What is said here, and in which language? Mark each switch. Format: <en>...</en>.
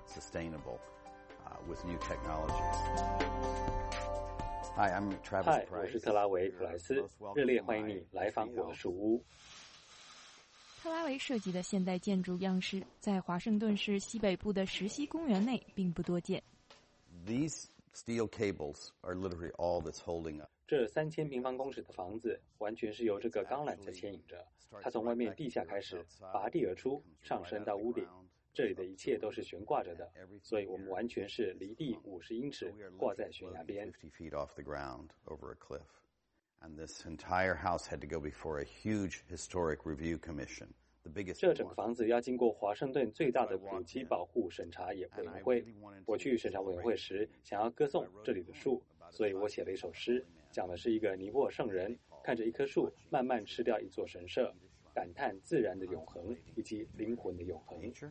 <en>Sustainable with new technologies. Hi, I'm Travis Price.</en> <zh>嗨，我是特拉维普莱斯，热烈欢迎你来访我的书屋。特拉维设计的现代建筑样式在华盛顿市西北部的石溪公园内并不多见。</zh> <en>Steel cables are literally all that's holding up.</en> <zh>这3000平方公尺的房子完全是由这个钢缆在牵引着。它从外面地下开始，拔地而出，上升到屋顶。这里的一切都是悬挂着的，所以我们完全是离地50英尺，挂在悬崖边。</zh> <en>50 feet off the ground over a cliff, and this entire house had to go before a huge historic review commission.</en> <zh>这整个房子要经过华盛顿最大的古迹保护审查委员会。我去审查委员会时，想要歌颂这里的树，所以我写了一首诗，讲的是一个尼泊尔圣人看着一棵树慢慢吃掉一座神社，感叹自然的永恒以及灵魂的永恒。</zh>